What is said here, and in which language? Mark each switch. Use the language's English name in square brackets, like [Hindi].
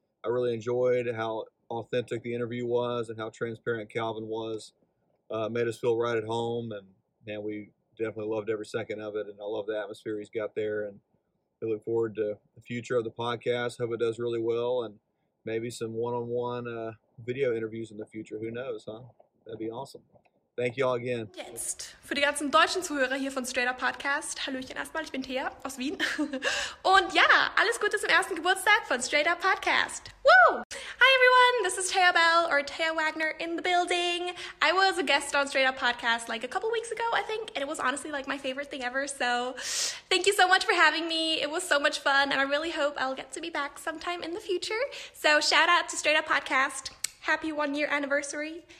[English] I really enjoyed how authentic the interview was and how transparent Calvin was. Made us feel right at home, and man, we definitely loved every second of it, and I love the atmosphere he's got there, and we look forward to the future of the podcast. Hope it does really well, and maybe some one-on-one video interviews in the future. Who knows, huh? That'd be awesome. Thank you all again. [German] Jetzt, für die ganzen deutschen Zuhörer hier von Straight Up Podcast, hallöchen erstmal, ich bin Thea aus Wien. Und ja, alles Gute zum ersten Geburtstag von Straight Up Podcast. Woo! [English] Hi everyone, this is Thea Bell, or Thea Wagner in the building. I was a guest on Straight Up Podcast like a couple weeks ago, I think, and it was honestly like my favorite thing ever. So thank you so much for having me. It was so much fun, and I really hope I'll get to be back sometime in the future. So shout out to Straight Up Podcast. Happy 1 year anniversary.